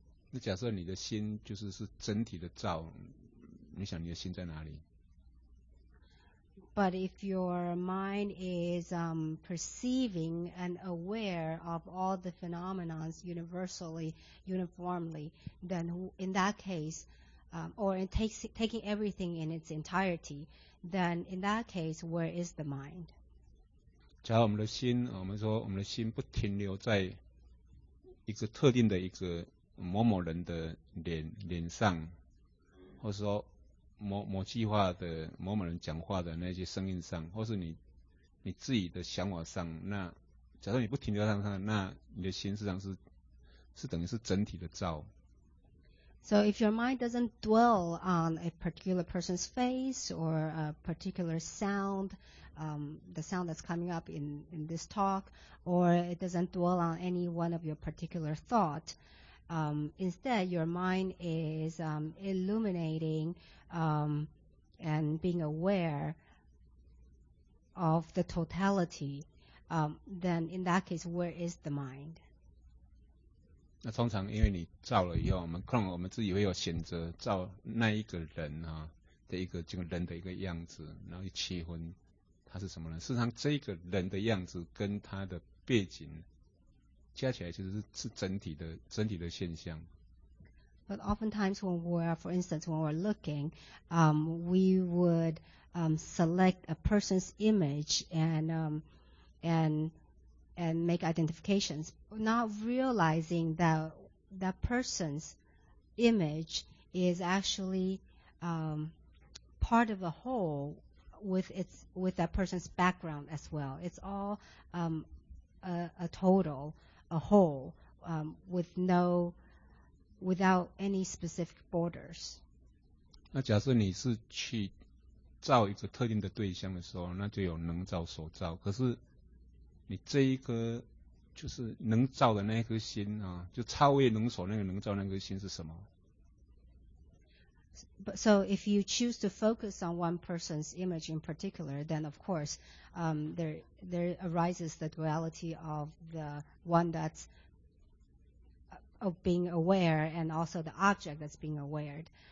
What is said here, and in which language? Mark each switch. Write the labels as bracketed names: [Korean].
[Chinese] 那假设你的心就是是整体的照，你想你的心在哪里？ [English] But if your mind is perceiving and aware of all the phenomenons universally, uniformly, then in that case, or in taking everything in its entirety, then in that case, where is the mind? [Chinese] 假如我们的心，我们说我们的心不停留在一个特定的一个某某人的 脸上，或是说 某句话的某某人讲话的那些声音上，或是 你自己的想法上，那假设你不停留在上，那你的心实际上 是等于是整体的照。 [English] So if your mind doesn't dwell on a particular person's face or a particular sound, the sound that's coming up in this talk, or it doesn't dwell on any one of your particular thought, instead your mind is illuminating and being aware of the totality, then in that case, where is the mind? [Chinese] 那通常因为你照了以后，我们自己会有选择照那一个人啊的一个这个人的一个样子，然后去区分他是什么人。事实上，这个人的样子跟他的背景加起来，其实是整体的现象。 [English] But oftentimes when we're, for instance, when we're looking, we would select a person's image and make identifications, not realizing that that person's image is actually part of a whole with that person's background as well. It's all a total, a whole, without any specific borders. [Chinese] 那假设你是去照一个特定的对象的时候，那就有能照所照，可是你这一颗就是能照的那一颗心啊，就超越能所那个能照那颗心是什么？ [English] So if you choose to focus on one person's image in particular, then of course, there arises the duality of the one that's of being aware and also the object that's being awared.